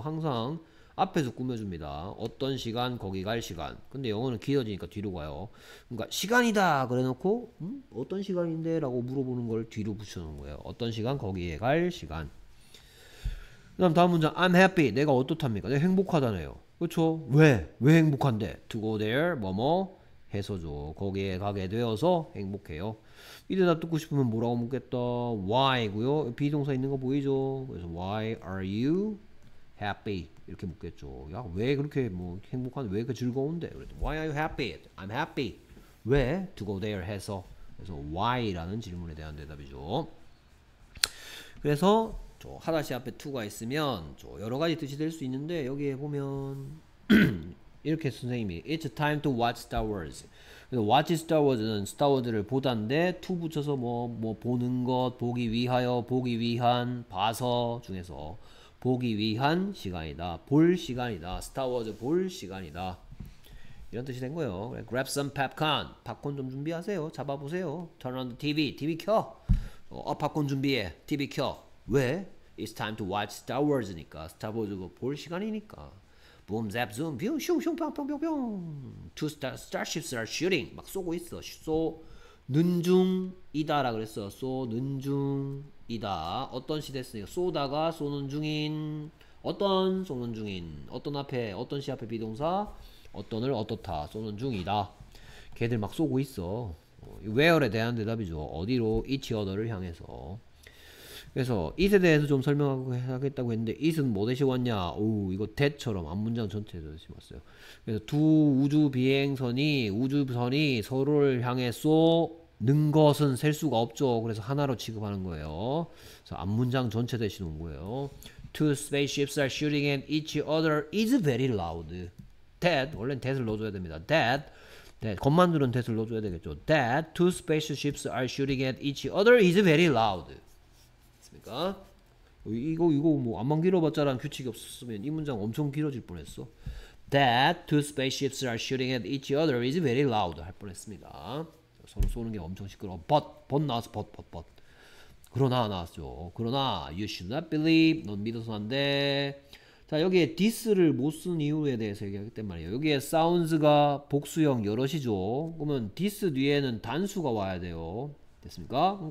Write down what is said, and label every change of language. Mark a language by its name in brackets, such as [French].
[Korean] 항상 앞에서 꾸며줍니다. 어떤 시간 거기 갈 시간. 근데 영어는 길어지니까 뒤로 가요. 그러니까 시간이다 그래놓고 어떤 시간인데라고 물어보는 걸 뒤로 붙여놓은 거예요. 어떤 시간 거기에 갈 시간. 그다음 다음 문장 [English] I'm happy. [Korean] 내가 어떻답니까? 내가 행복하다네요. 그렇죠? 왜? 왜 행복한데? [English] To go there [Korean] 뭐뭐 해서죠. 거기에 가게 되어서 행복해요. 이 대답 듣고 싶으면 뭐라고 묻겠다? Why고요. 비동사 있는 거 보이죠? [English] 그래서 Why are you happy? [Korean] 이렇게 묻겠죠. 야, 왜 그렇게 뭐 행복한? 왜 그렇게 즐거운데? 그랬더니, [English] Why are you happy? I'm happy. 왜? To go there [Korean] 해서. 그래서 Why라는 질문에 대한 대답이죠. 그래서 하다시 앞에 to가 있으면 여러 가지 뜻이 될수 있는데 여기에 보면 이렇게 선생님이 [English] It's time to watch Star Wars. [Korean] 그래서 [English] watch Star Wars [Korean] 는 Star Wars를 보단데 to 붙여서 뭐뭐 뭐 보는 것, 보기 위하여, 보기 위한, 봐서 중에서 보기 위한 시간이다, 볼 시간이다, Star Wars 볼 시간이다 이런 뜻이 된 거예요. 그래, [English] grab some popcorn. [Korean] 팝콘 좀 준비하세요. 잡아보세요. [English] Turn on the TV. [Korean] TV 켜. 팝콘 준비해. TV 켜. 왜? [English] It's time to watch Star Wars니까. [Korean] Star Wars 볼 시간이니까. Boom, zap, zoom, pew, shoo, shoo, pow, pow, pow, pow. [English] Two starships are shooting. [Korean] 막 쏘고 있어. 쏘는 중이다라 그랬어. 쏘는 중이다. 어떤 시 됐으니까 쏘다가 쏘는 중인 어떤 쏘는 중인, 어떤 앞에, 어떤 시 앞에 비동사, 어떤을 어떻다, 쏘는 중이다. 걔들 막 쏘고 있어. where에 대한 대답이죠. 어디로, each other를 향해서. 그래서 it에 대해서 좀 설명하고 하겠다고 했는데 it은 뭐 대신 왔냐? 오, 이거 that처럼 앞 문장 전체에 대신 왔어요. 그래서 두 우주 비행선이 우주선이 서로를 향해 쏘는 것은 셀 수가 없죠. 그래서 하나로 취급하는 거예요. 그래서 앞 문장 전체 대신 온 거예요. [English] Two spaceships are shooting at each other is very loud. [Korean] That 원래는 that을 넣어줘야 됩니다. That 겉만두는 that을 넣어줘야 되겠죠. [English] That two spaceships are shooting at each other is very loud. [Korean] 있습니까? 이거 뭐 암만 길어봤자라는 규칙이 없었으면 이 문장 엄청 길어질 뻔했어. [English] That two spaceships are shooting at each other is very loud [Korean] 할 뻔했습니다. 서로 쏘는 게 엄청 시끄러워. But 나왔어. But 그러나 나왔죠. 그러나 [English] you should not believe [Korean] 넌 믿어서 안 돼. 자 여기에 this를 못쓴 이유에 대해서 얘기하기 때문에요. 여기에 sounds가 복수형 여럿이죠. 그러면 this 뒤에는 단수가 와야 돼요. 됐습니까?